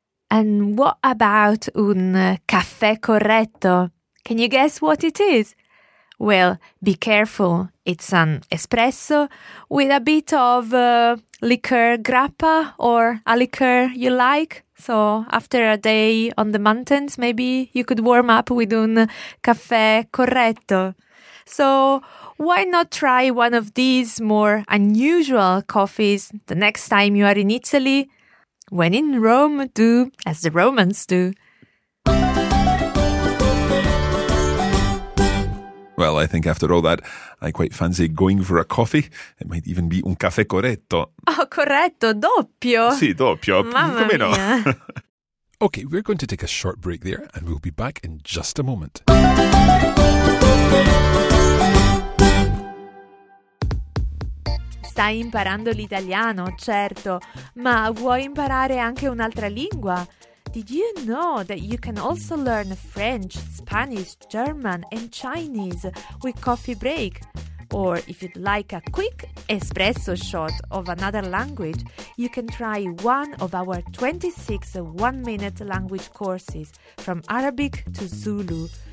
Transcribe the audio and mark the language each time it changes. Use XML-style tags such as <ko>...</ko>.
<en>And what about</en> <it>un caffè corretto?</it> <en>Can you guess what it is? Well, be careful. It's an espresso with a bit of liqueur grappa or a liqueur you like. So after a day on the mountains, maybe you could warm up with un caffè corretto. So why not try one of these more unusual coffees the next time you are in Italy? When in Rome, do as the Romans do. Well, I think after all that, I quite fancy going for a coffee. It might even be</en> <it>un caffè corretto. Oh, corretto, doppio. Sì, doppio. Mamma Come mia. No?</it> <en>Okay, we're going to take a short break there and we'll be back in just a moment.</en> <it>Stai imparando l'italiano, certo, ma vuoi imparare anche un'altra lingua?</it> <en>Did you know that you can also learn French, Spanish, German and Chinese with Coffee Break? Or if you'd like a quick espresso shot of another language, you can try one of our 26 one-minute language courses from Arabic to Zulu.</en>